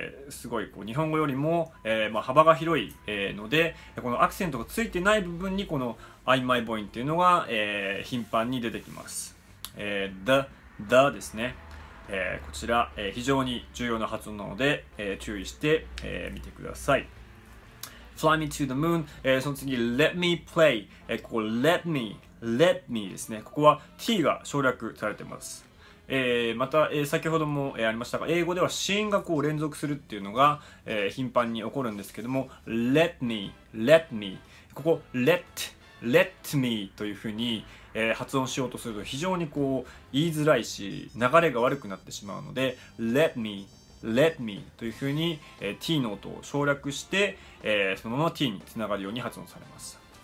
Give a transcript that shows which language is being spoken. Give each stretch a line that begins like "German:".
Japanese: すごいこう日本語よりも、まあ幅が広い、ので、このアクセントがついてない部分にこの曖昧母音というのが、頻繁に出てきます。だですね、こちら、非常に重要な発音なので、注意して、見てください。
English: Fly me to the moon、
Japanese: その次
English: Let me play、
Japanese: ここ
English: Let me
Japanese: ですね。ここは T が省略されています。また、先ほども、ありましたが、英語では子音がこう連続するっていうのが、頻繁に起こるんですけども、
English: Let me
Japanese: ここ Let me というふうに、発音しようとすると非常にこう言いづらいし流れが悪くなってしまうので、 Let me というふうに、T の音を省略して、そのまま T につながるように発音されます。